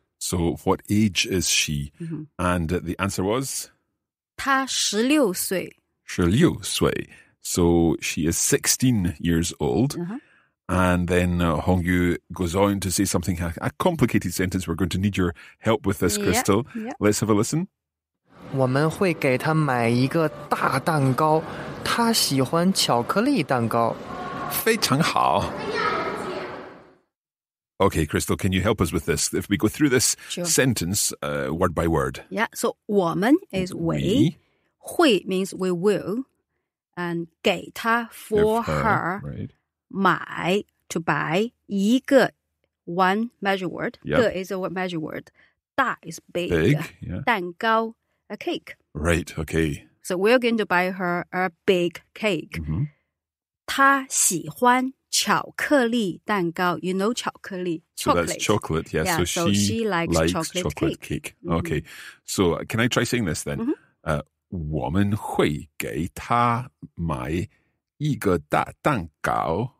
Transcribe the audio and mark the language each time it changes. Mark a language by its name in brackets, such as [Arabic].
[English] So what age is she? Mm-hmm. And the answer was? [Chinese] 她16岁. [English] 16岁.So she is 16 years old. And then Hongyu goes on to say something, a complicated sentence. We're going to need your help with this, Crystal. Yep. Let's have a listen. [Chinese] 我们会给他买一个大蛋糕，他喜欢巧克力蛋糕。非常好。Okay, [English] Crystal, can you help us with this? If we go through this sentence word by word. Yeah, so 我们 is we. 会 means we will. And 给他 for her. Right. 买 to buy. 一个 one measure word. Yep. 个 is a measure word. 大 is big. Big, yeah. 蛋糕.A cake. Right, okay. So we're going to buy her a big cake. Mm-hmm. [Chinese] 她喜欢巧克力蛋糕. [English] You know chocolate. So that's chocolate, yeah. Yeah, so she likes chocolate cake. Mm-hmm. Okay, so can I try saying this then? Mm-hmm. [Chinese] 我们会给她买一个大蛋糕.